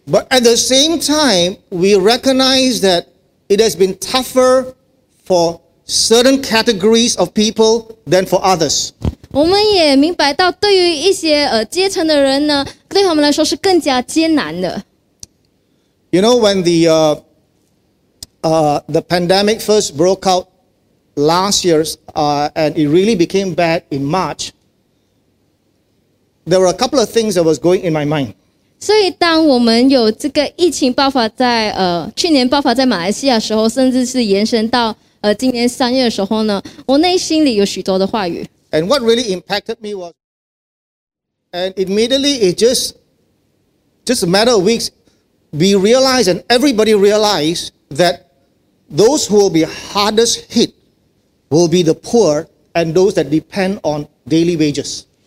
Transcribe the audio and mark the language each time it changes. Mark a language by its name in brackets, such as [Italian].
[English] But at the same time, we recognize that it has been tougher. For certain categories of people than for others. [Chinese] 我们也明白到，对于一些阶层的人呢，对他们来说是更加艰难的。 [English] You know, when the pandemic first broke out last year, and it really became bad in March, there were a couple of things that was going in my mind. [Chinese] 所以当我们有这个疫情爆发在去年爆发在马来西亚时候，甚至是延伸到今年三月的时候呢，我内心里有许多的话语。 [English] And what really impacted me was, and immediately it just a matter of weeks, we realized and everybody realized that those who will be hardest hit will be the poor and those that depend on daily wages.